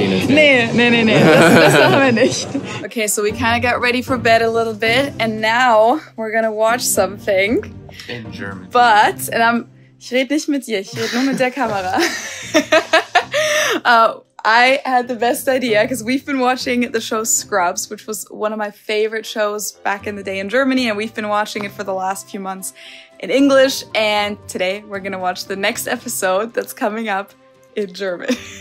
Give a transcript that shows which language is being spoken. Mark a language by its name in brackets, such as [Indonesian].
[English] Okay, so we kind of got ready for bed a little bit, and now we're gonna watch something. In German. But, and I'm... [German] Ich rede nicht mit dir, ich rede nur mit der Kamera. [English] I had the best idea because we've been watching the show Scrubs, which was one of my favorite shows back in the day in Germany, and we've been watching it for the last few months in English, and today we're going to watch the next episode that's coming up in German.